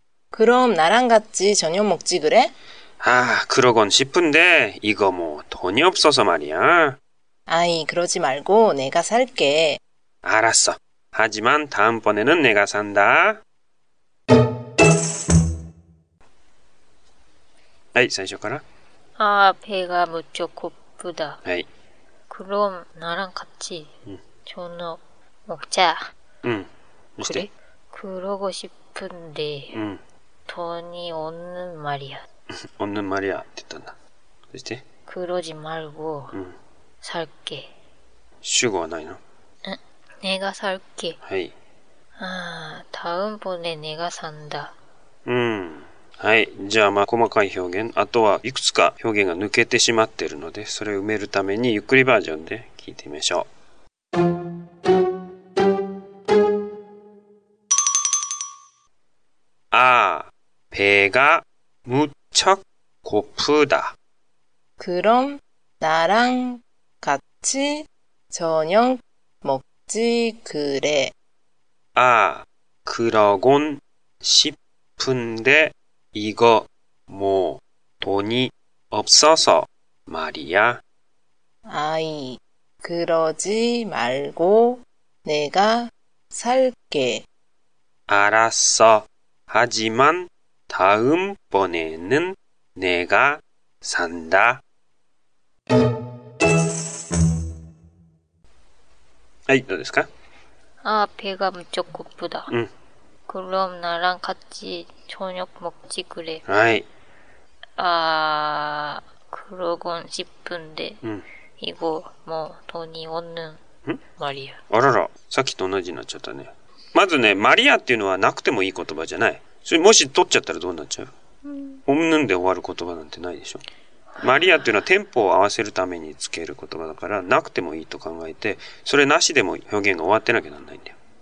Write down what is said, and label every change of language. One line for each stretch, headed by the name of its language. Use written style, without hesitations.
Korean: 그럼나랑같이저녁먹지그래 아그러곤싶은데이거뭐돈이없어서말이야 아이그러지말고내가살게 알았어하지만다음번에는내가산다
Japanese: はい、最初から。
Korean: 아배가무척고프다
Japanese: はい。
Korean: 그럼나랑같이저녁먹자 그래 그러고싶은데돈이없는말이야 없는말이야
Japanese: って言ったんだ。そして
Korean: 그러지말고살게
Japanese: 主語はないの？
Korean: 내가살게
Japanese: はい
Korean: 아, 다음번에내가산다。
Japanese: はい。じゃあ、まあ、細かい表現。あとはいくつか表現が抜けてしまっているので、それを埋めるためにゆっくりバージョンで聞いてみましょう。
Korean: 아배가무척고프다 그럼나랑같이저녁먹지그래 아그러곤싶은데이거뭐돈이없어서말이야 아이그러지말고내가살게 알았어하지만다음번에는내가산다
Japanese: はい、どうですか?
Korean: 아、배가무척고프다。
Japanese: うん。
Korean: 그럼나랑같이저녁먹지그래。
Japanese: はい。
Korean: 아、그러곤싶은데、
Japanese: うん、
Korean: 이거뭐돈이없는말이야。
Japanese: あらら、さっきと同じになっちゃったね。まずね、マリアっていうのはなくてもいい言葉じゃない。それもし取っちゃったらどうなっちゃう?オムヌンで終わる言葉なんてないでしょ。マリアっていうのはテンポを合わせるためにつける言葉だから、なくてもいいと考えて、それなしでも表現が終わってなきゃなんないんだよ。